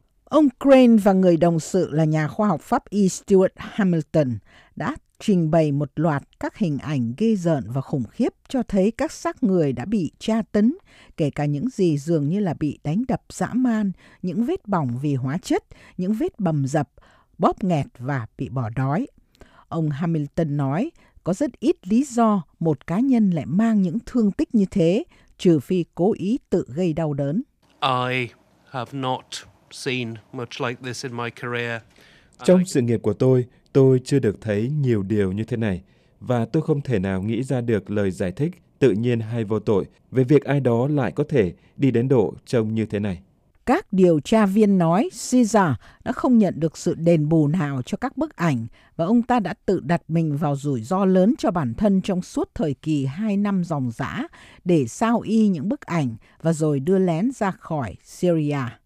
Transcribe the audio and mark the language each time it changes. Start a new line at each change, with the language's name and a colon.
Vietnamese: Ông Crane và người đồng sự là nhà khoa học pháp y Stuart Hamilton đã trình bày một loạt các hình ảnh ghê rợn và khủng khiếp cho thấy các xác người đã bị tra tấn, kể cả những gì dường như là bị đánh đập dã man, những vết bỏng vì hóa chất, những vết bầm dập, bóp nghẹt và bị bỏ đói. Ông Hamilton nói, có rất ít lý do một cá nhân lại mang những thương tích như thế, trừ phi cố ý tự gây đau đớn.
English: I have not seen much like this in my career.
Vietnamese: Trong sự nghiệp của tôi chưa được thấy nhiều điều như thế này, và tôi không thể nào nghĩ ra được lời giải thích tự nhiên hay vô tội về việc ai đó lại có thể đi đến độ trông như thế này. Các điều tra viên nói Caesar đã không nhận được sự đền bù nào cho các bức ảnh và ông ta đã tự đặt mình vào rủi ro lớn cho bản thân trong suốt thời kỳ 2 năm ròng rã để sao y những bức ảnh và rồi đưa lén ra khỏi Syria.